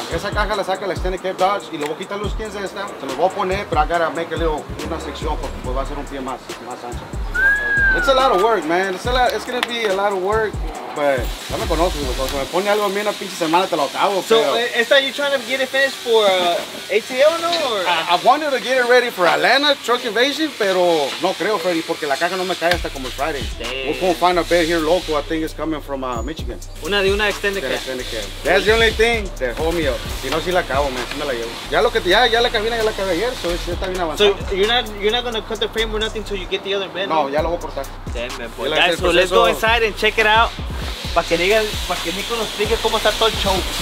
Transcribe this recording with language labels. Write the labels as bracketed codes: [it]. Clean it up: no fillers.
[es] Esa caja la saca la extended cab Dodge y le voy a quitar los skins de esta. Se lo voy a poner, pero [en] I gotta make a little, [es] una sección porque pues va a ser un pie más ancho. [en] It's a lot of work, man. It's gonna be a lot of work, but I'm gonna go through it. So, [es] me pone algo a mí en la pinche semana te lo acabo. [en] So, is that you trying to get it finished for ATL, no? I wanted to get it ready for Atlanta Truck Invasion, [es] pero no creo, [en] Freddy, [es] porque la caja no me cae hasta como el [en] Friday. Damn. We're gonna find a bed here local. I think it's coming from Michigan. [es] Una extended cab. [en] That's the only thing that hold me up. [es] Si no, si la acabo, man. Si me la llevo. Ya la cabina ya la acabé ayer, so ya está bien avanzada. [en] So, you're not gonna cut the frame or nothing until you get the other bed? [es] No, right? Ya lo voy a cortar. [en] Damn, man, boy. Guys, so let's go inside and check it out. [es] Para que Nico nos explique cómo está todo el show.